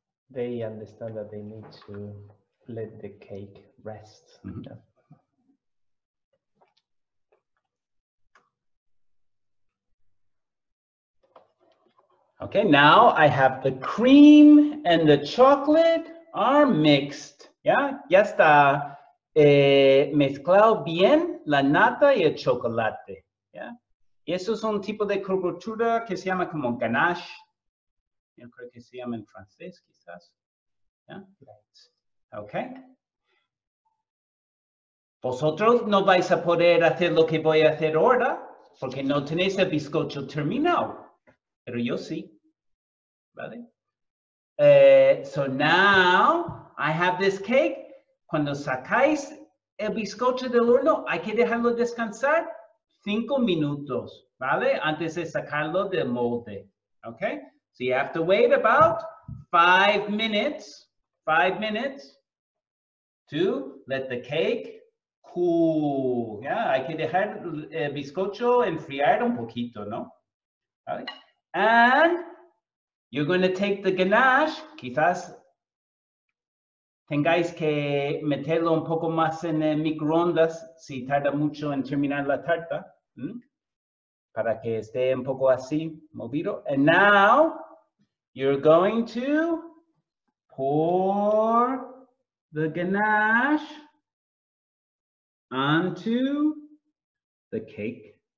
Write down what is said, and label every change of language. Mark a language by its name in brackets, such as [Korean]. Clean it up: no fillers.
[English] They understand that they need to let the cake rest. Mm-hmm. Okay, now I have the cream and the chocolate are mixed. [Spanish] Yeah, ya está mezclado bien la nata y el chocolate. Yeah, y eso es un tipo de cobertura que se llama como ganache. Yo creo que se llama en francés, quizás. Yeah. Okay. Vosotros no vais a poder hacer lo que voy a hacer ahora, porque no tenéis el bizcocho terminado. Pero yo sí. ¿Vale? [English] So now, I have this cake. [Spanish] Cuando sacáis el bizcocho del horno, hay que dejarlo descansar 5 minutos, ¿vale? Antes de sacarlo del molde. Okay. [English] So you have to wait about 5 minutes to let the cake cool. [Spanish] Yeah, hay que dejar el bizcocho enfriar un poquito, ¿no? ¿Vale? [English] And you're going to take the ganache. [Spanish] Quizás tengáis que meterlo un poco más en el microondas si tarda mucho en terminar la tarta. ¿Mm? para que esté un poco así, movido. [English] And now, you're going to pour the ganache onto the cake.